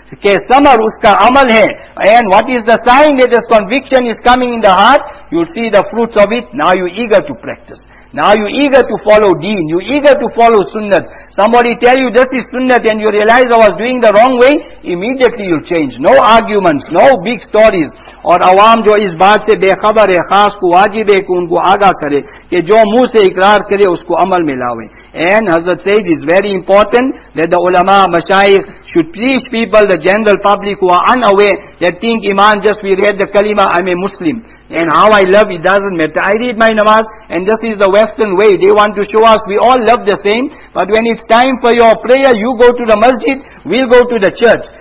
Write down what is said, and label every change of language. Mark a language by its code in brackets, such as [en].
[ur] Ke samar uska amal hai. [en] And what is the sign that this conviction is coming in the heart? You'll see the fruits of it. Now you're eager to practice. Now you're eager to follow deen. You're eager to follow sunnat. Somebody tell you this is sunnat and you realize I was doing the wrong way, immediately you'll change. No arguments, no big stories. [ur] اور عوام جو اس بات سے بے خبر ہے خاص کو واجب ہے کہ ان کو آگاہ کرے کہ جو منہ سے اقرار کرے اس کو عمل میں لاوے. [en] And Hazrat says it's very important that the ulama, mashayikh should teach people, the general public who are unaware, that think iman just we read the kalima, I'm a Muslim. And how I love, it doesn't matter. I read my namaz, and this is the Western way. They want to show us we all love the same. But when it's time for your prayer, you go to the masjid, we'll go to the church.